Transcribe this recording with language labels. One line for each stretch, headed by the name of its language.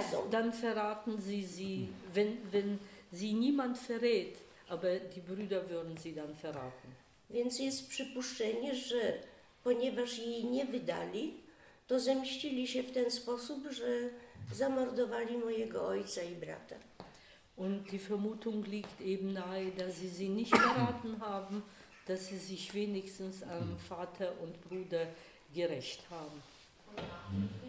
German: Dann verraten sie sie, wenn sie niemand verrät, aber die Brüder würden sie dann verraten.
Polish: Więc jest przypuszczenie, że ponieważ jej nie wydali, to zemścili się w ten sposób, że zamordowali mojego ojca i brata.
German: Und die Vermutung liegt eben nahe, dass sie sie nicht verraten haben, dass sie sich wenigstens am Vater und Bruder gerecht haben.